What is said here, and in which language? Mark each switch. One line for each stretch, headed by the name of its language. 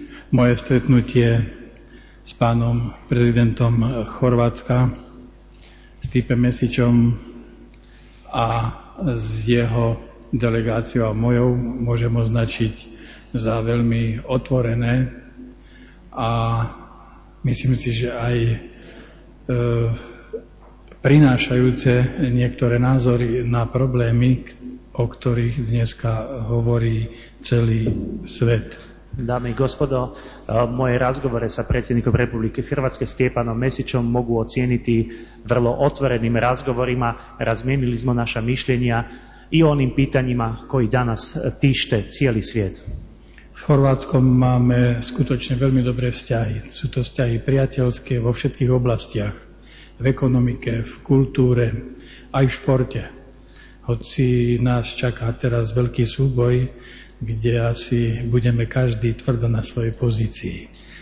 Slovak: Moje stretnutje s panom prezidentom Chorvatska, Stipem Mesićom a s jeho delegáciou a mojou môžem označiť za veľmi otvorené a myslím si, že aj prinášajúce niektoré názory na problémy, o ktorých dneska hovorí celý svet.
Croatian: Dámy i gospodo, moje razgovore sa predsjednikom Republike Hrvatske Stjepanom Mesićom mogu ocijeniti vrlo otvorenim razgovorima. Razmijenili smo naša mišljenja i onim pitanjima koji danas tište cijeli svijet.
Slovak: S Chorvátskom máme skutočne veľmi dobré vzťahy. Sú to vzťahy priateľské vo všetkých oblastiach. V ekonomike, v kultúre, aj v športe. Hoci nás čaká teraz veľký súboj, kde asi budeme každý tvrdo na svojej pozícii.